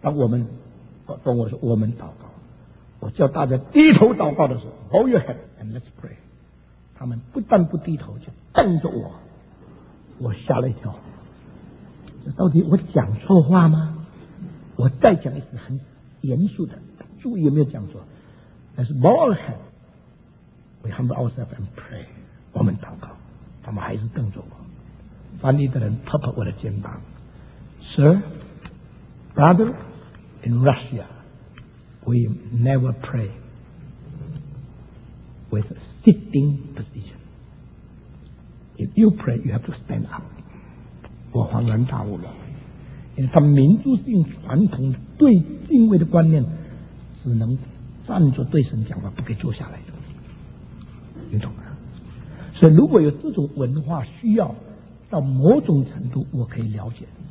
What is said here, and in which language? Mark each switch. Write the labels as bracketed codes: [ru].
[zh] 当我们跟我说我们祷告，我叫大家低头祷告的时候 ， [en] Bow your head and let's pray。 [zh] 他们不但不低头，就瞪着我，我吓了一跳。这到底我讲错话吗？我再讲一次，很严肃的，注意有没有讲错 ？ [en] Let's bow our head， we humble ourselves and pray。 [zh] 我们祷告，他们还是瞪着我。翻译的人拍拍我的肩膀 ， [en] Sir。 Brother, in Russia, we never pray with a sitting position. If you pray, you have to stand up. [zh] 我恍然大悟了，因为他民族性传统对敬畏的观念，只能站着对神讲话，不可以坐下来的。你懂吗？所以如果有这种文化需要，到某种程度我可以了解。